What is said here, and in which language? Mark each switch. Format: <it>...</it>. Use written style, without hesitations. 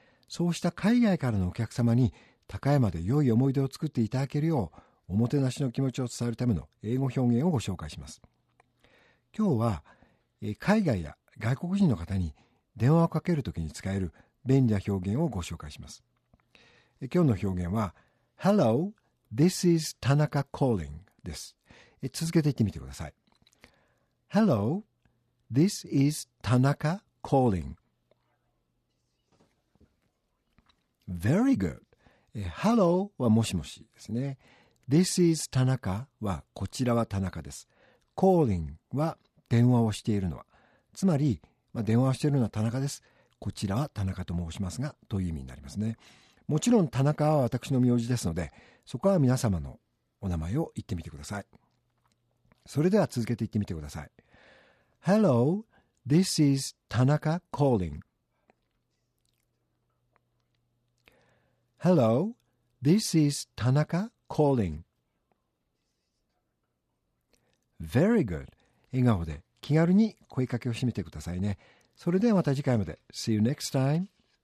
<ja>そうした海外からのお客様に高山で良い思い出を作っていただけるよう、おもてなしの気持ちを伝えるための英語表現をご紹介します。今日は海外や外国人の方に電話をかけるときに使える便利な表現をご紹介します。今日の表現は</ja> <en>Hello, this is Tanaka calling</en> <ja>です。続けて言ってみてください。</ja> <en>Hello, this is Tanaka calling. Very good.</en> <ja>Hello はもしもしですね。</ja> <en>This is Tanaka</en> <ja>はこちらは田中です。 Calling は電話をしているのは、つまり、まあ、電話をしているのは田中です、こちらは田中と申しますがという意味になりますね。もちろん田中は私の名字ですので、そこは皆様のお名前を言ってみてください。それでは続けて言ってみてください。 Hello, this is Tanaka calling. Hello, this is Tanaka calling. Very good. 笑顔で気軽に声かけをしてみてくださいね。それではまた次回まで。</ja> <en>See you next time.</en>